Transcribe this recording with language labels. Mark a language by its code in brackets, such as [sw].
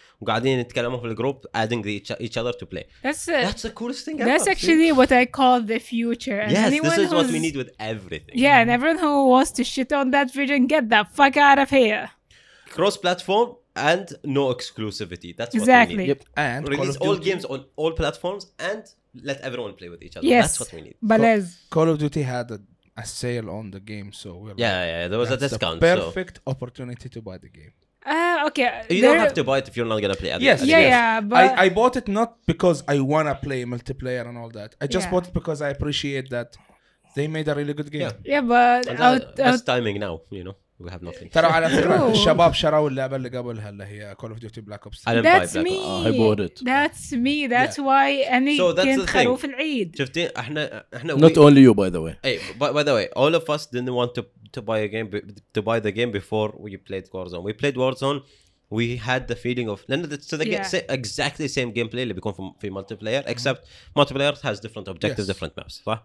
[ar] وقاعدين نتكلموا في الجروب [en] adding each other to play. That's the coolest thing ever. That's actually what I call the future. And yes, this is what we need with everything. Yeah, and everyone who wants to shit on that vision, get the fuck out of here. Cross-platform and no exclusivity. That's exactly what we need. Yep. And release all games on all platforms and let everyone play with each other. Yes. That's what we need. But Call of Duty had a sale on the game, so we're there was a discount. The perfect opportunity to buy the game. Okay. You don't have to buy it if you're not gonna play. I bought it not because I wanna play multiplayer and all that. I just bought it because I appreciate that they made a really good game. But timing now, you know, we have nothing. [ar] ترى على فكرة الشباب شراوا اللعبة اللي قبلها اللي هي Call of Duty Black Ops. [en] That's me. That's why any [ar] كنت خروف العيد. شفتي احنا [en] not only you by the way. By the way, all of us didn't want to buy the game before we played Warzone. We played Warzone, we had the feeling of exactly the same gameplay [ar] اللي بيكون في [en] multiplayer, except multiplayer has different objectives, different maps.